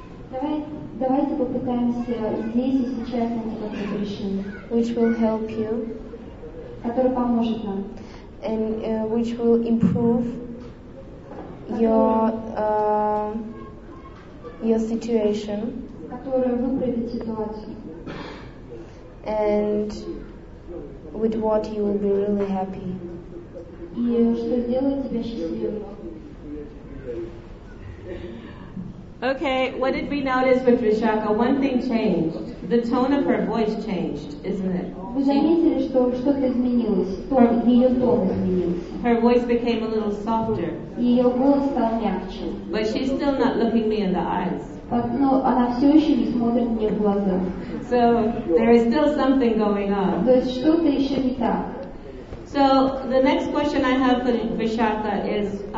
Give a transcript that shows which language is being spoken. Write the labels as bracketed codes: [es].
[ru] Давайте попытаемся здесь и сейчас найти какое-то решение. [en] Which will help you. [ru] Который поможет нам. [en] And which will improve your situation. [ru] Который выправит ситуацию. [en] And with what you will be really happy. [ru] И что сделает тебя счастливым. [en] Okay, what did we notice with Vishakha? One thing changed. The tone of her voice changed, isn't it? [ru] Вы заметили, что что-то изменилось? Ее тон изменился. [en] Her voice became a little softer. [ru] Ее голос стал мягче. [en] But she's still not looking me in the eyes. [ru] Но она все еще не смотрит мне в глаза. [en] So, there is still something going on. [ru] То есть что-то еще не так. [en] So, the next question I have for Vishakha is...